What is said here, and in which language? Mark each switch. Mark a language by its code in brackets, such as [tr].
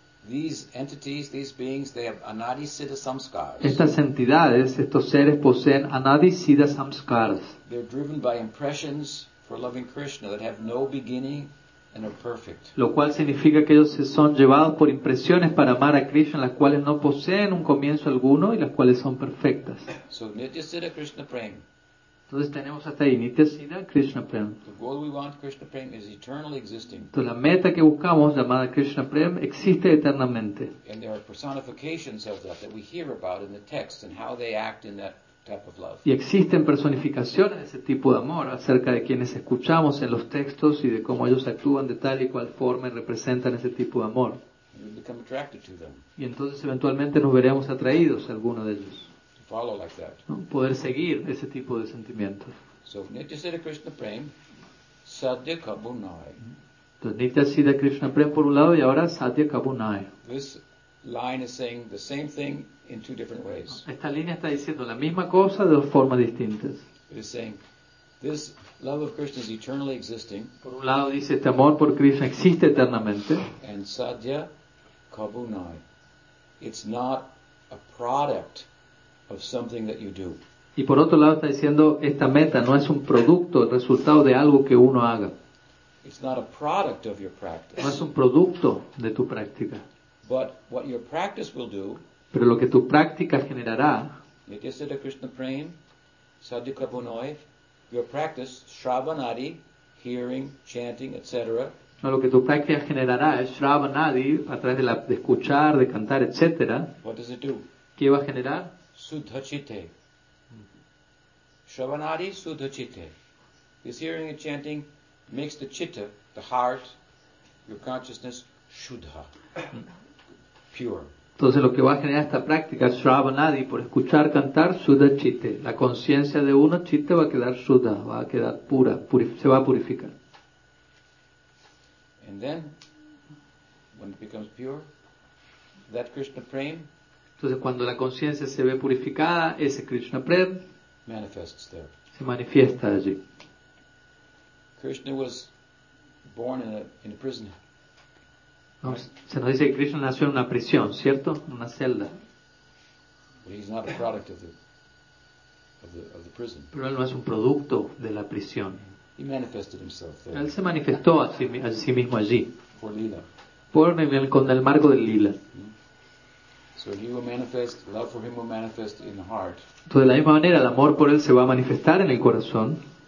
[en] These entities, these beings, they have anadi siddha samskaras. [es] Estas entidades, estos seres poseen anadi siddha samskaras. [en] They're driven by impressions for loving Krishna that have no beginning and are perfect. [es] Lo cual significa que ellos son llevados por impresiones para amar a Krishna, las cuales no poseen un comienzo alguno y las cuales son perfectas. [en] So nitya siddha Krishna Prem. [es] Entonces tenemos hasta ahí, Nitya Siddha, Krishna Prem. [en] The goal we want, Krishna Prem, is eternally existing. [es] Entonces la meta que buscamos, llamada Krishna Prem, existe eternamente. [en] And there are personifications of that that we hear about in the text and how they act in that type of love. [es] Y existen personificaciones de ese tipo de amor acerca de quienes escuchamos en los textos y de cómo ellos actúan de tal y cual forma y representan ese tipo de amor. [en] And we become attracted to them. [es] Y entonces eventualmente nos veremos atraídos a alguno de ellos. [en] Follow like that. [es] ¿No? Poder seguir ese tipo de sentimientos. [en] So, Nitya Siddha Krishna Prem, Sadhya Kabunai. [es] Entonces, Nitya Siddha Krishna Prem por un lado y ahora Sadhya Kabunai. [en] This line is saying the same thing in two different ways. [es] Esta línea está diciendo la misma cosa de dos formas distintas. [en] It is saying, this love of Krishna is eternally existing. [es] Por un lado dice, este amor por Krishna existe eternamente. [en] And Sadhya Kabunai. It's not a product of something that you do. [es] Y por otro lado está diciendo esta meta no es un producto, el resultado de algo que uno haga. [en] It's not a product of your practice. [es] No es un producto de tu práctica. [en] But what your practice will do. [es] Pero lo que tu práctica generará. [en] Nitya Siddha Krishna Prem, Sadhya Kabunai, your practice, Shravanadi, hearing, chanting, etc. [es] No, lo que tu práctica generará es Shravanadi a través de, la, de escuchar, de cantar, etc. [en] What does it do? [es] ¿Qué va a generar? [bn] Sudhachite. Shravanadi sudhachite. [en] This hearing and chanting makes the chitta, the heart, your consciousness, shuddha, pure. [es] Entonces lo que va a generar esta práctica es Shravanadi, por escuchar cantar, sudhachite. La conciencia de uno, chitta, va a quedar shuddha, va a quedar pura, se va a purificar. [en] And then, when it becomes pure, that Krishna Prem. [es] Entonces, cuando la conciencia se ve purificada, ese Krishna Prem [en] manifests there. [es] Se manifiesta allí. [en] Krishna was born in a prison. [es] No, se nos dice que Krishna nació en una prisión, ¿cierto? En una celda. [en] But he's not a product of the prison. [es] Pero él no es un producto de la prisión. [en] He manifested himself there. [es] Él se manifestó a sí mismo allí. Por Lila. Con el marco del Lila. [en] So he will manifest, love for him will manifest in the heart. [es] De la misma manera, el amor por él se va a manifestar en el corazón.